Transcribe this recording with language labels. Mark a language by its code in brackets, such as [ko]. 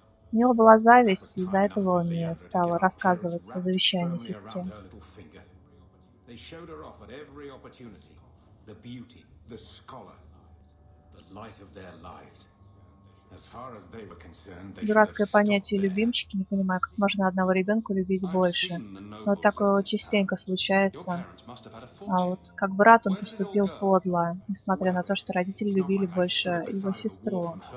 [ru] У него была зависть, и из-за этого он мне стал рассказывать о завещании сестре. [en] They showed her off at every opportunity. The beauty, the scholar, the light of their lives. As far as they were concerned, they should have stopped there. [ru] Дурацкое понятие «любимчики», не понимаю, как можно одного ребенка любить больше. Но такое частенько случается. А вот как брат он поступил подло, несмотря на то, что родители любили больше его сестру.